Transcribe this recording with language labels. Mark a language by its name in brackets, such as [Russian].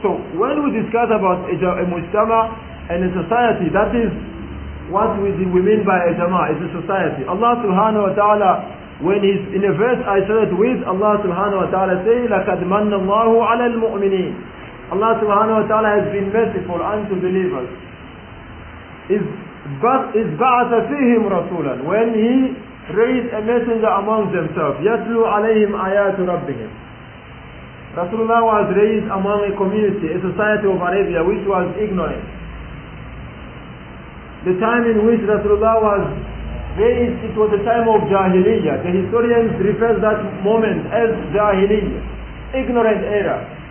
[English] So when we discuss about a mujtama and a society, that is what we mean by a jama, is a society. Allah subhanahu wa ta'ala, when he's in a verse I started with, Allah subhanahu wa ta'ala say, [Arabic] لَكَدْ مَنَّ اللَّهُ عَلَى الْمُؤْمِنِينَ. [English] Allah subhanahu wa ta'ala has been merciful unto believers. [Arabic] إِذْ بَعَثَ فِيهِمْ رَسُولًا, [English] when he raised a messenger among themselves, [Arabic] يَتْلُوا عَلَيْهِمْ آيَاتُ رَبِّهِمْ. [English] Rasulullah was raised among a community, a society of Arabia, which was ignorant. The time in which Rasulullah was raised, it was a time of Jahiliyyah. The historians refer to that moment as Jahiliyyah, ignorant era.